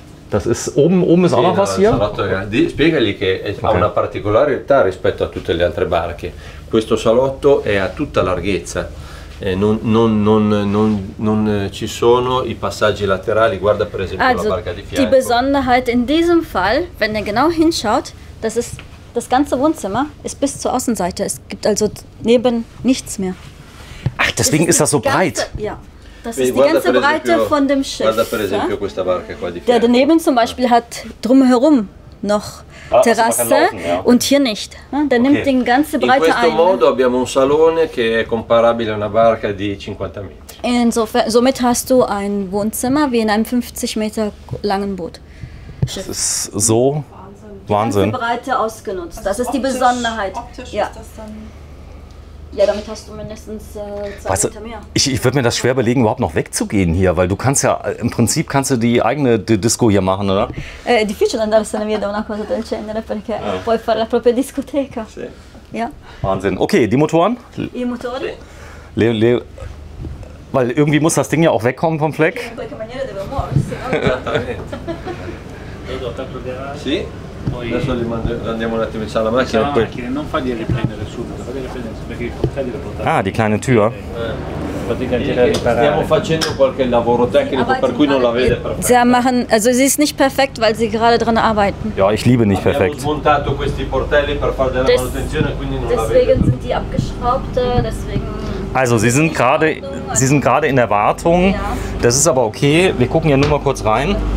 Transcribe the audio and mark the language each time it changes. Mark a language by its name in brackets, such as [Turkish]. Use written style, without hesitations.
[German] Das ist oben ist auch noch was hier. [Italian] Spiegali che ha una particolarità rispetto a tutte le altre barche. Questo salotto è a tutta larghezza. Non ci sono i passaggi laterali. Guarda per esempio [German] also, [Italian] la barca di fianco. [German] Die Besonderheit in diesem Fall, wenn ihr genau hinschaut, das ist das ganze Wohnzimmer ist bis zur Außenseite. Es gibt also neben nichts mehr. Ach, deswegen ist das so breit. Ja, das ist die ganze Breite von dem Schiff. [Italian] Guarda per esempio questa barca qua di fianco. [German] Der daneben zum Beispiel hat drumherum noch Terrasse und hier nicht. Der nimmt den ganze Breite ein. [Italian] In questo modo abbiamo un salone che è comparabile a una barca di 50 metri. [German] Insofern, somit hast du ein Wohnzimmer wie in einem 50 Meter langen Boot. Das ist so. Wahnsinn. Die Breite ausgenutzt. Also das ist optisch, die Besonderheit. Ja. Ist das dann damit hast du mindestens 2 weißt Meter mehr. Ich würde mir das schwer überlegen, überhaupt noch wegzugehen hier, weil du kannst ja im Prinzip kannst du die eigene Disco hier machen, oder? [Italian] Difficile andarsene via da una cosa del genere, perché puoi fare la propria discoteca. Sì. [German] Ja. Wahnsinn. Okay, die Motoren? Die Motoren? Weil irgendwie muss das Ding ja auch wegkommen vom Fleck. [Italian] In qualche maniera deve muoversi. Sì. poi adesso li mando, andiamo un attimo in sala macchina, poi... macchina non fagli riprendere subito, fagli riprendere perché i portelli lo portano. [German] Ah, di kleine Tür. [Italian] Stiamo facendo qualche lavoro tecnico per cui non la vede perfetta. [German] Sie machen, also sie ist nicht perfekt, weil sie gerade dran arbeiten. Ja, ich liebe nicht perfekt. [Italian] Abbiamo smontato questi portelli per fare della manutenzione, quindi non la vede. [German] Deswegen sind die abgeschraubt, deswegen. Also, sie sind gerade in Erwartung. Das ist aber okay. Wir gucken ja nur mal kurz rein.